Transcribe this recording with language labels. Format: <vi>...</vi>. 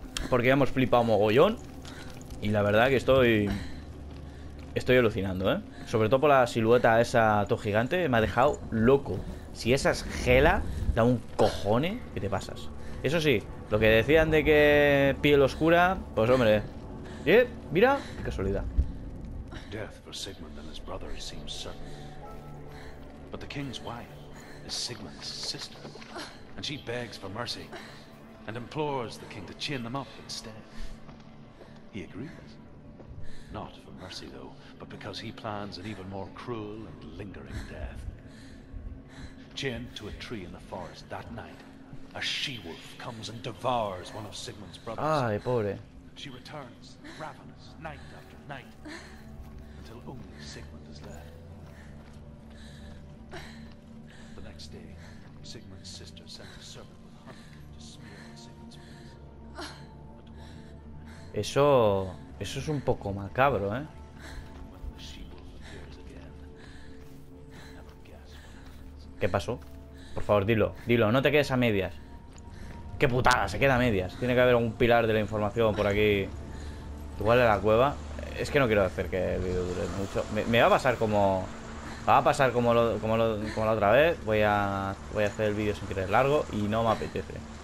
<es>Porque ya hemos flipado mogollón. Y la verdad que estoy alucinando, ¿eh? Sobre todo por la silueta esa todo gigante. Me ha dejado loco. Si esa es Gela, da un cojone que te pasas. Eso sí, lo que decían de que piel oscura. Pues hombre. Mira. Qué casualidad.</es> <en>Death for Sigmund and his brother seems certain. But the king's wife is Sigmund's sister, and she begs for mercy and implores the king to chain them up instead. He agrees. Not for mercy, though, but because he plans an even more cruel and lingering death. Chained to a tree in the forest that night, a she-wolf comes and devours one of Sigmund's brothers.</en> <es>Ay, pobre.</es> <en>She returns, ravenous, night after night. Only Sigmund is left. The next day, Sigmund's sister sent a servant with honey to smear in Sigmund's face. But one.</en> <es>Eso es un poco macabro, ¿eh?</es> <en>When the she-wolf appears again, never guess what happens.</en> <es>¿Qué pasó? Por favor, dilo, no te quedes a medias. ¡Qué putada! Se queda a medias. Tiene que haber algún pilar de la información por aquí. Igual en la cueva. Es que no quiero hacer que el vídeo dure mucho. Me va a pasar como... Como la otra vez. Voy a hacer el vídeo sin querer largo. Y no me apetece.</es>